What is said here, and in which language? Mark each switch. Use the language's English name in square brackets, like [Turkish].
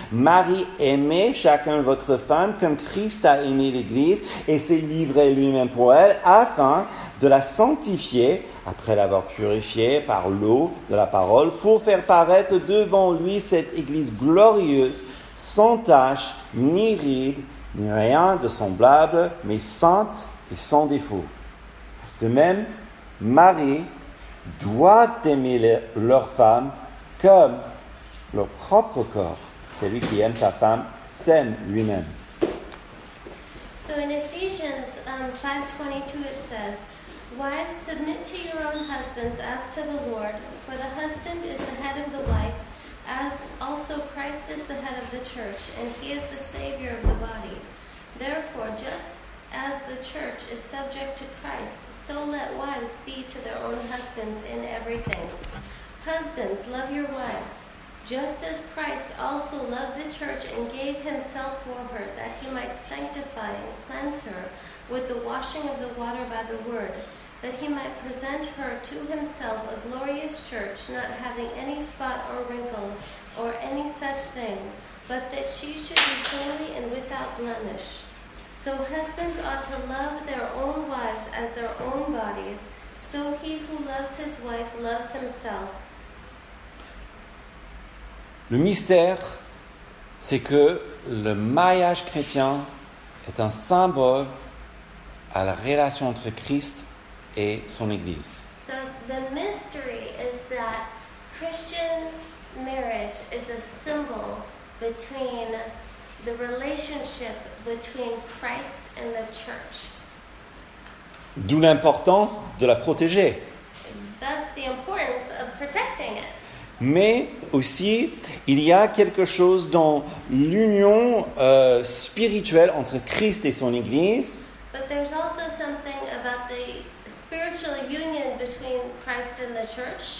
[French] Marie, aimez chacun votre femme comme Christ a aimé l'Église et s'est livré lui-même pour elle, afin de la sanctifier, après l'avoir purifiée par l'eau de la parole, pour faire paraître devant lui cette Église glorieuse, sans tache, ni ride, ni rien de semblable, mais sainte et sans défaut. De même, Marie doit aimer leur femme comme leur propre corps. Celui qui aime sa femme s'aime lui-même. [English] So in Ephesians 5:22 it says, wives, submit to your own husbands as to the Lord, for the husband is the head of the wife, as also Christ is the head of the church, and he is the savior of the body. Therefore, just as the church is subject to Christ, so let wives be to their own husbands in everything. Husbands, love your wives, just as Christ also loved the church and gave himself for her, that he might sanctify and cleanse her with the washing of the water by the word, that he might present her to himself a glorious church, not having any spot or wrinkle or any such thing, but that she should be holy and without blemish. So husbands ought to love their own wives as their own bodies. So he who loves his wife loves himself. [French] Le mystère, c'est que le mariage chrétien est un symbole à la relation entre Christ et son Église. [English] So the mystery is that Christian marriage is a symbol between the relationship between Christ and the church. [French] D'où l'importance de la protéger. [English] Thus the importance of protecting it. [French] Mais aussi, il y a quelque chose dans l'union spirituelle entre Christ et son Église. [English] But there's also something about the spiritual union between Christ and the church,